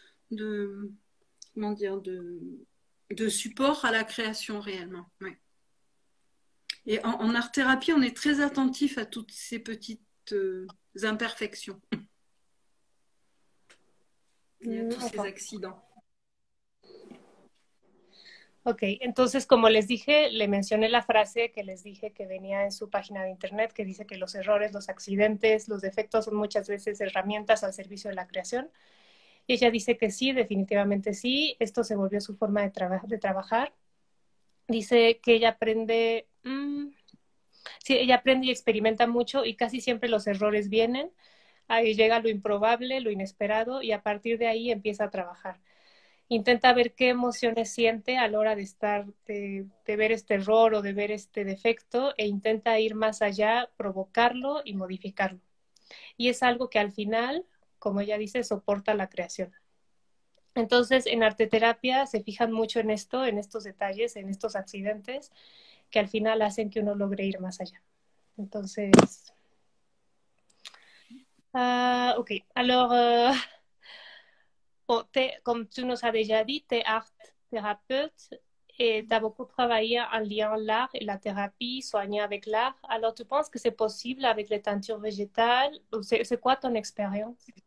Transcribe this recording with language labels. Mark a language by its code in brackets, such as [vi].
[fr] De, comment dire, de support à la création réellement. Ouais. Et en art-thérapie, on est très attentif à toutes ces petites imperfections et à tous ces accidents. [es] Entonces, como les dije, le mencioné la frase que les dije que venía en su página de internet, que dice que los errores, los accidentes, los defectos son muchas veces herramientas al servicio de la creación. Y ella dice que sí, definitivamente sí, esto se volvió su forma de trabajar. Dice que ella aprende, sí, ella aprende y experimenta mucho y casi siempre los errores vienen, ahí llega lo improbable, lo inesperado y a partir de ahí empieza a trabajar. Intenta ver qué emociones siente a la hora de estar, de ver este error o de ver este defecto e intenta ir más allá, provocarlo y modificarlo. Y es algo que al final, como ella dice, soporta la creación. Entonces, en arte terapia se fijan mucho en esto, en estos detalles, en estos accidentes que al final hacen que uno logre ir más allá. Entonces, [fr] ok, alors, comme tu nous as déjà dit, tu es art thérapeute, et tu as beaucoup travaillé en lien l'art et la thérapie, soigné avec l'art. Alors, tu penses que c'est possible avec les teintures végétales? C'est quoi ton expérience?